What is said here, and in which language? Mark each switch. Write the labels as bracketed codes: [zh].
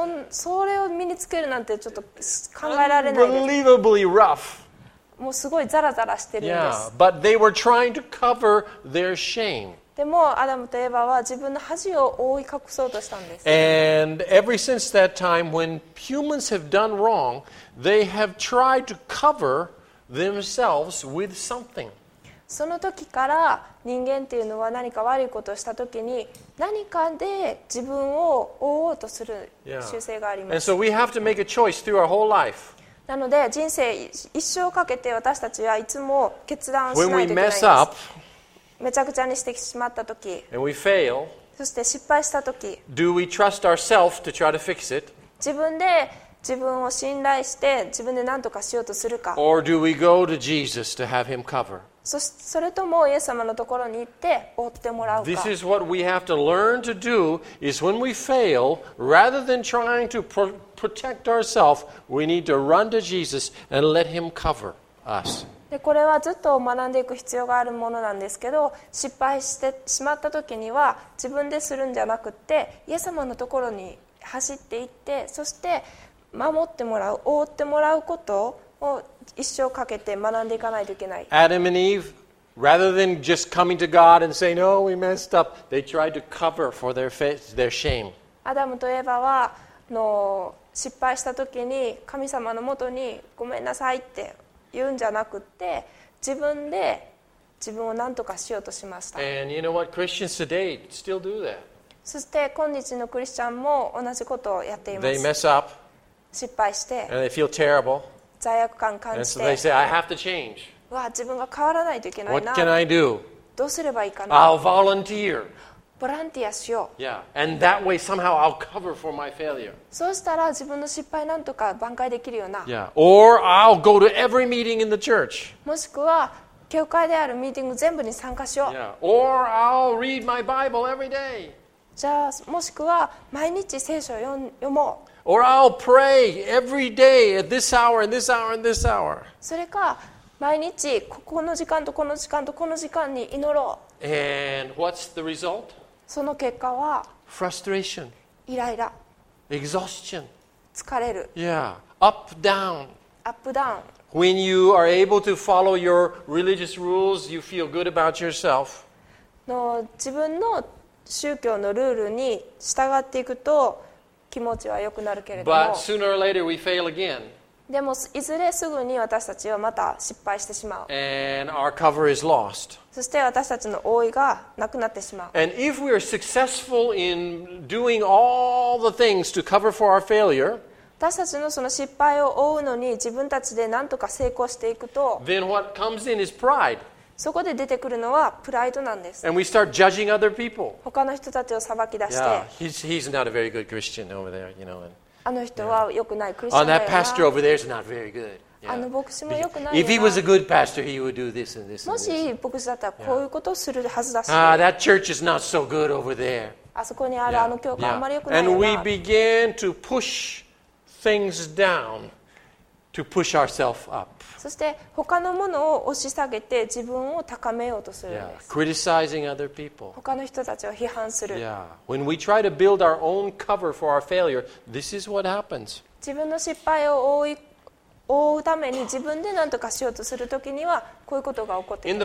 [ja] それを身につけるなんてちょっと考えられないです。 [en] Unbelievably rough. [ja] もうすごいザラザラしてるんです。 [en] Yeah, but they were trying to cover their shame. [ja] でもアダムとエヴァは自分の恥を覆い隠そうとしたんです。 [en] And ever since that time, when humans have done wrong, they have tried to cover themselves with something. [ja] その時から人間っていうのは何か悪いことをした時に何かで自分を覆おうとする習性があります。 [en] And so we have to make a choice through our whole life. [ja] なので人生一生かけて私たちはいつも決断しないといけないです。 [en] When we mess up, [ja] めちゃくちゃにしてしまった時、 [en] and we fail, [ja] そして失敗した時、 [en] do we trust ourselves to try to fix it? [ja] 自分で自分を信頼して自分で何とかしようとするか、 [en] or do we go to Jesus to have him cover? [ja] それともイエス様のところに行って覆ってもらうか。 [en] This is what we have to learn to do is when we fail, rather than trying to protect ourselves, we need to run to Jesus and let him cover us. [ja] で、これはずっと学んでいく必要があるものなんですけど、失敗してしまった時には自分でするんじゃなくて、イエス様のところに走って行って、そして守ってもらう、覆ってもらうことを一生かけて学んでいかないといけない。 [en] Adam and Eve, rather than just coming to God and saying, "No, we messed up," they tried to cover for their shame. [ja] アダムとエヴァは失敗した時に神様のもとにごめんなさいって言うんじゃなくて、自分で自分を何とかしようとしました。 [en] And you know what? Christians today still do that. [ja] そして今日のクリスチャンも同じことをやっています。 [en] They mess up. [ja] 失敗して。 [en] And they feel terrible. [ja] 罪悪感感じて、 [en] so、say, [ja] わあ自分が変わらないといけないな。 [en] What can I do? [ja] どうすればいいかな。 [en] I'll volunteer. [ja] ボランティアしよう。 [en] Yeah. And that way somehow I'll cover for my failure. [ja] そうしたら自分の失敗なんとか挽回できるような。 [en] Yeah. Or I'll go to every meeting in the church. [ja] もしくは教会であるミーティング全部に参加しよう。 [en] Yeah. Or I'll read my Bible every day. [ja] じゃあもしくは毎日聖書を読もう。 [en] Or I'll pray every day at this hour and this hour and this hour. [ja] それか毎日ここの時間とこの時間とこの時間に祈ろう。 [en] And what's the result? [ja] その結果は [en] frustration. [ja] イライラ。 [en] Exhaustion. [ja] 疲れる。 [en] Yeah. Up down. Up down. When you are able to follow your religious rules, you feel good about yourself. [ja] の自分の宗教のルールに従っていくと気持ちは良くなるけれども。 [en] But sooner or later we fail again. [ja] でもいずれすぐに私たちはまた失敗してしまう。 [en] And our cover is lost. [ja] そして私たちの覆いがなくなってしまう。 [en] And if we are successful in doing all the things to cover for our failure, [ja] 私たちのその失敗を覆うのに自分たちで何とか成功していくと、 [en] then what comes in is pride. [ja] そこで出てくるのはプライドなんです。 [en] And we start judging other people. [ja] 他の人たちを裁き出して、 [en] yeah, he's not a very good Christian over there, you know. And... [ja] あの人は良くないクリスチャンだよな。 [en] That pastor over there is not very good. [ja] あの牧師も良くないよな。 [en] If he was a good pastor, he would do this and this. [ja] もし牧師だったらこういうことをするはずだし。 [en] Ah, that church is not so good over there. [ja] あそこにあるあの教会あんまり良くないよな。 [en] And we began to push things down to push ourselves up. [ja] そして他のものを押し下げて自分を高めようとするんです。 [en] Criticizing other people. [ja] 他の人たちを批判する。 [en] Yeah. When we try to build our own cover for our failure, this is what happens. [ja] 自分の失敗を覆うために自分で何とかしようとするときにはこういうことが起こってきます。